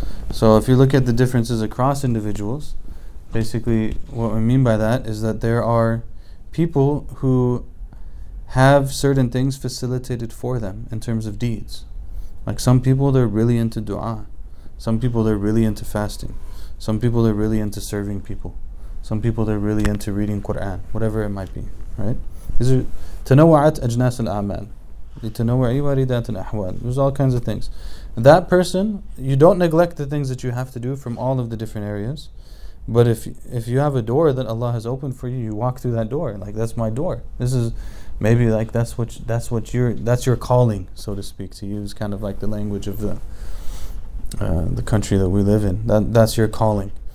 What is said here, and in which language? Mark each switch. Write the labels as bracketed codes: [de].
[en] So if you look at the differences across individuals, basically, what we mean by that is that there are people who have certain things facilitated for them in terms of deeds. Like some people, they're really into dua. Some people, they're really into fasting. Some people, they're really into serving people. Some people, they're really into reading Quran, whatever it might be, right? These are [ar] تنوعت أجناس الأعمال لتنوعي واردات الأحوال. [en] There's all kinds of things. That person, you don't neglect the things that you have to do from all of the different areas. But if you have a door that Allah has opened for you, you walk through that door. Like that's my door. This is maybe like that's your calling, so to speak. To use kind of like the language of the country that we live in. That's your calling.